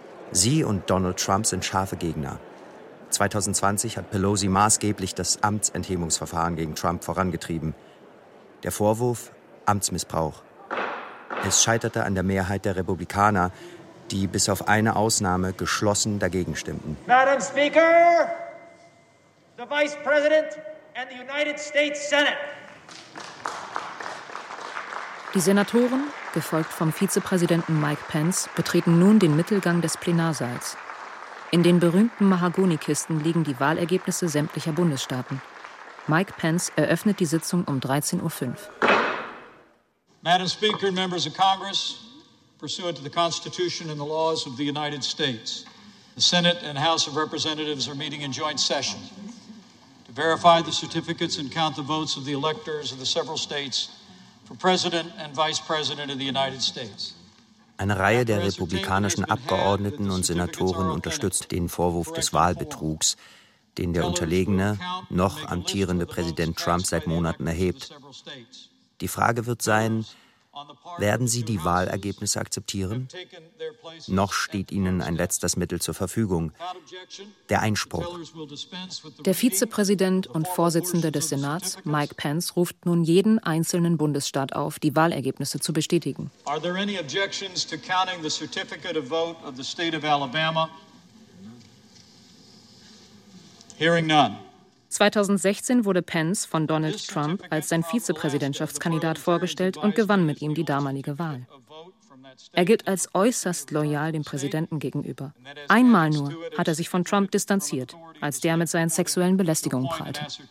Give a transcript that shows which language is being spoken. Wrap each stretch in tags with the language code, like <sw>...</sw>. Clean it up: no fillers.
<de>Sie und Donald Trump sind scharfe Gegner. 2020 hat Pelosi maßgeblich das Amtsenthebungsverfahren gegen Trump vorangetrieben. Der Vorwurf: Amtsmissbrauch. Es scheiterte an der Mehrheit der Republikaner, die bis auf eine Ausnahme geschlossen dagegen stimmten.</de> <en>Madam Speaker, the Vice President and the United States Senate.</en> <de>Die Senatoren, gefolgt vom Vizepräsidenten Mike Pence, betreten nun den Mittelgang des Plenarsaals. In den berühmten Mahagonikisten liegen die Wahlergebnisse sämtlicher Bundesstaaten. Mike Pence eröffnet die Sitzung um 13.05 Uhr.</de> <en>Madam Speaker, members of Congress, pursuant to the Constitution and the laws of the United States, the Senate and House of Representatives are meeting in joint session to verify the certificates and count the votes of the electors of the several states for President and Vice President of the United States.</en> <de>Eine Reihe der republikanischen Abgeordneten und Senatoren unterstützt den Vorwurf des Wahlbetrugs, den der unterlegene, noch amtierende Präsident Trump seit Monaten erhebt. Die Frage wird sein, werden Sie die Wahlergebnisse akzeptieren? Noch steht Ihnen ein letztes Mittel zur Verfügung, der Einspruch. Der Vizepräsident und Vorsitzende des Senats, Mike Pence, ruft nun jeden einzelnen Bundesstaat auf, die Wahlergebnisse zu bestätigen.</de> <en>Are there any objections to counting the certificate of vote of the state of Alabama? Hearing none.</en> <de>2016 wurde Pence von Donald Trump als sein Vizepräsidentschaftskandidat vorgestellt und gewann mit ihm die damalige Wahl. Er gilt als äußerst loyal dem Präsidenten gegenüber. Einmal nur hat er sich von Trump distanziert, als der mit seinen sexuellen Belästigungen prahlte.</de>